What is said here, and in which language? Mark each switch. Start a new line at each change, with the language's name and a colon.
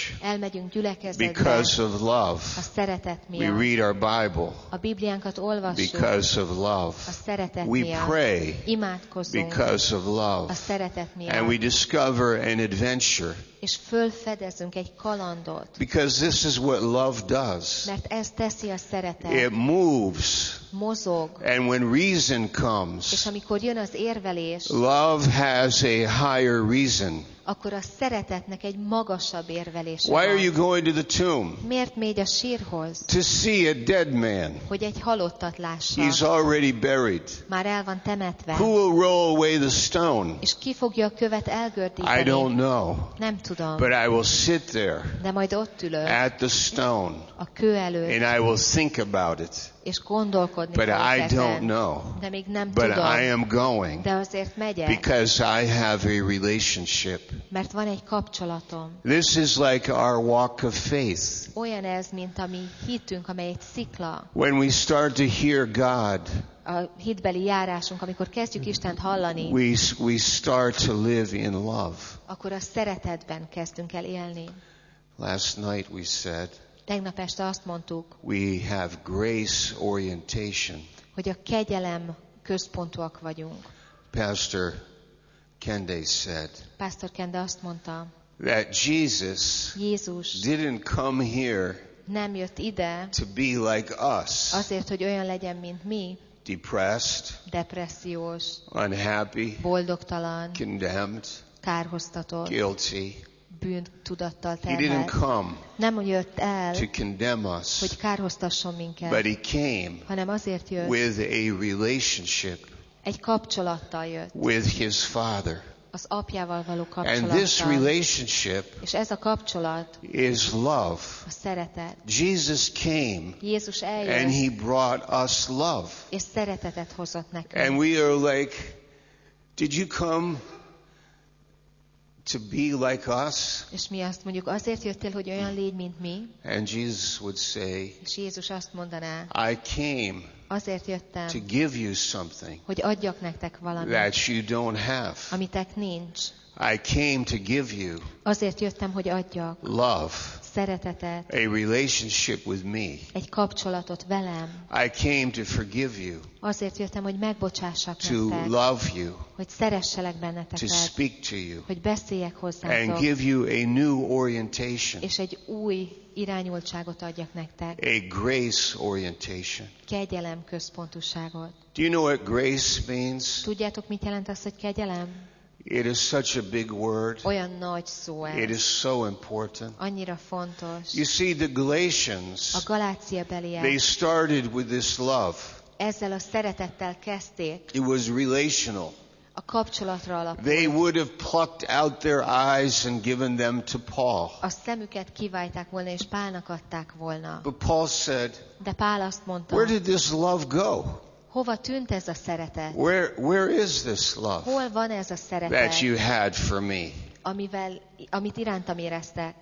Hungarian: Elmegyünk gyülekezetbe.
English: Because of love.
Hungarian: A szeretet miatt.
English: We read our Bible.
Hungarian: A Bibliánkat olvassuk.
English: Because of love.
Hungarian: A szeretet
English: we
Hungarian: miatt.
English: We pray.
Hungarian: Imádkozunk.
English: Because of love.
Hungarian: A szeretet miatt.
English: And we discover an adventure.
Hungarian: És fölfedezünk egy kalandot.
English: Because this is what love does.
Hungarian: Mert ez teszi a szeretet.
English: It moves.
Hungarian: mozog.
English: And when reason comes,
Hungarian: és amikor jön az érvelés,
English: love has a higher reason.
Hungarian: Akkor a szeretetnek egy magasabb érvelése van.
English: Why are you going to the tomb?
Hungarian: Miért megy a sírhoz?
English: To see a dead man.
Hungarian: Hogy egy halottat lássa.
English: He's already buried.
Hungarian: Már el van temetve.
English: Who will roll away the stone?
Hungarian: És ki fogja a követ elgördíteni?
English: I don't know.
Hungarian: Nem tudom.
English: But I will sit there.
Hungarian: De majd ott ülök.
English: At the stone.
Hungarian: A kő előtt.
English: And I will think about it.
Hungarian: És gondolkodni
English: But I don't know.
Hungarian: De még nem
English: But
Hungarian: tudom.
English: But I am going.
Hungarian: De azért megyek.
English: Because I have a relationship.
Hungarian: Mert van egy kapcsolatom.
English: This is like our walk of faith.
Hungarian: Olyan ez, mint a mi hitünk, amely egy szikla.
English: When we start to hear God,
Hungarian: a hitbeli járásunk, amikor kezdjük Istent hallani,
English: we start to live in love.
Hungarian: Akkor a szeretetben kezdünk el élni.
English: Last night we said,
Hungarian: tegnap este azt mondtuk,
English: we have grace orientation.
Hungarian: Hogy a kegyelem központúak vagyunk.
English: Pastor Kende said,
Hungarian: Pastor Kende azt mondta,
English: that Jézus didn't come here,
Hungarian: nem jött ide,
English: to be like us,
Hungarian: azért, hogy olyan legyen, mint mi,
English: depressed,
Hungarian: depressziós,
English: unhappy,
Hungarian: boldogtalan,
English: condemned,
Hungarian: kárhoztatott,
English: guilty,
Hungarian: bűntudattal terhelt.
English: He didn't come,
Hungarian: nem jött el,
English: to condemn us,
Hungarian: hogy kárhoztasson minket,
English: but he came,
Hungarian: hanem azért jött,
English: with a relationship,
Hungarian: egy kapcsolattal jött,
English: with his father,
Hungarian: az apjával való kapcsolattal,
English: and this relationship,
Hungarian: és ez a kapcsolat,
English: is love,
Hungarian: a szeretet.
English: Jesus came,
Hungarian: Jézus eljött,
English: and he brought us love,
Hungarian: és szeretetet hozott nekünk,
English: and we are like, did you come to be like us?
Hungarian: És mi azt mondjuk, azért jöttél, hogy olyan légy, mint mi?
English: And Jesus would say,
Hungarian: és Jézus azt mondaná,
English: I came,
Hungarian: azért jöttem,
English: to give you something,
Hungarian: hogy adjak nektek valamit,
English: that you don't have,
Hungarian: amitek nincs.
English: I came to give you,
Hungarian: azért jöttem, hogy adjak,
English: love,
Hungarian: szeretetet,
English: a relationship with me,
Hungarian: egy kapcsolatot velem.
English: I came to forgive you,
Hungarian: azért jöttem, hogy megbocsássak
English: to
Hungarian: nektek,
English: love you,
Hungarian: hogy szeresselek benneteket,
English: to speak to you,
Hungarian: hogy beszéljek hozzátok,
English: and give you a new orientation,
Hungarian: és egy új irányultságot adjak nektek,
English: a grace orientation,
Hungarian: kegyelem központúságot.
English: Do you know what grace means?
Hungarian: Tudjátok, mit jelent az, hogy kegyelem?
English: It is such a big word.
Hungarian: Olyan nagy szó ez.
English: It is so important.
Hungarian: Annyira fontos.
English: You see, the Galatians,
Hungarian: a Galáciabeliek,
English: they started with this love.
Hungarian: Ezzel a szeretettel kezdték.
English: It was relational.
Hungarian: A kapcsolatra alapult.
English: They would have plucked out their eyes and given them to Paul.
Hungarian: A szemüket kiválták volna és Pálnak adták volna.
English: But Paul said,
Hungarian: de Pál azt mondta,
English: where did this love go?
Hungarian: Hova tűnt ez a szeretet?
English: Where is this love?
Hungarian: Hol van ez a szeretet?
English: That you had for me.
Hungarian: Amit irántam éreztek.